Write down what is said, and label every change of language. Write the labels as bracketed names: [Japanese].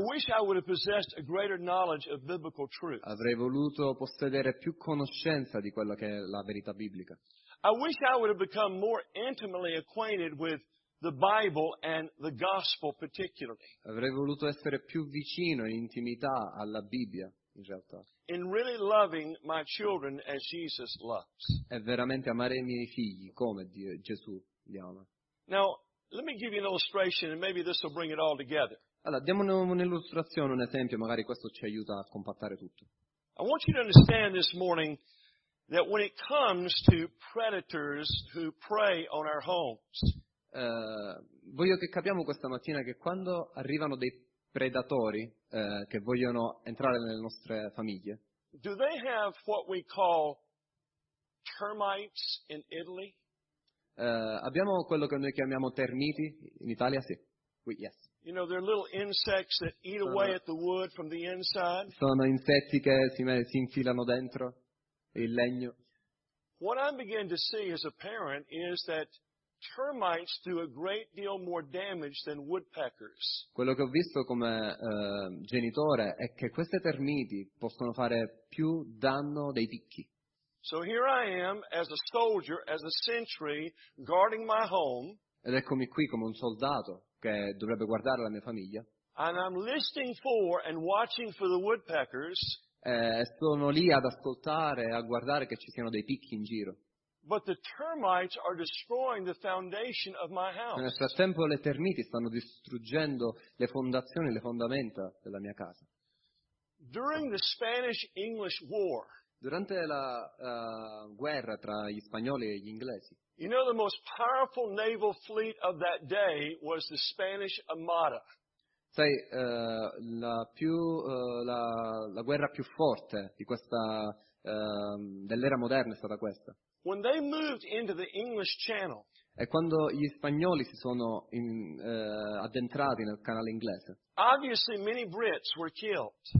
[English] I wish I would have possessed a greater knowledge of biblical truth. [Italian] Avrei voluto possedere più conoscenza di quella che è la verità biblica. [English] I wish I would have become more intimately acquainted with the Bible and the gospel particularly. [Italian] Avrei voluto essere più vicino in intimità alla Bibbia. [English] In really loving my children as Jesus loves. [Italian] È veramente amare i miei figli come Gesù li ama. [English] Now, let me give you an illustration and maybe this will bring it all together. [Italian] Allora, diamo un'illustrazione, un esempio, magari questo ci aiuta a compattare tutto. [English] I want you to understand this morning that when it comes to predators who prey on our homes. [Italian] Voglio che capiamo questa mattina che quando arrivano dei predatori che vogliono entrare nelle nostre famiglie. [English] Do they have what we call termites in Italy? [Italian] Abbiamo quello che noi chiamiamo termiti in Italia, sì. [English] Yes. You know, they're little insects that eat away at the wood from the inside. [Italian] Sono insetti che si infilano dentro il legno. [English] What I begin to see as a parent is that termites do a great deal more damage than woodpeckers. [Italian] Quello che ho visto come genitore è che queste termiti possono fare più danno dei picchi. [English] So here I am as a soldier, as a sentry, guarding my home. [Italian] Ed eccomi qui come un soldato che dovrebbe guardare la mia famiglia. [English] And I'm listening for and watching for the woodpeckers. [Italian] Sono lì ad ascoltare, a guardare che ci siano dei picchi in giro. [English] But the termites are destroying the foundation of my house. [Italian] Nel frattempo le termiti stanno distruggendo le fondazioni, le fondamenta della mia casa. [English] During the Spanish-English War. [Italian] Durante la guerra tra gli spagnoli e gli inglesi. [English] You know, the most powerful naval fleet of that day was the Spanish Armada. [Italian] Sai, la guerra più forte di questa dell'era moderna è stata questa. [English] When they moved into the English Channel, [Italian] e quando gli spagnoli si sono addentrati nel canale inglese, [English] obviously many Brits were killed.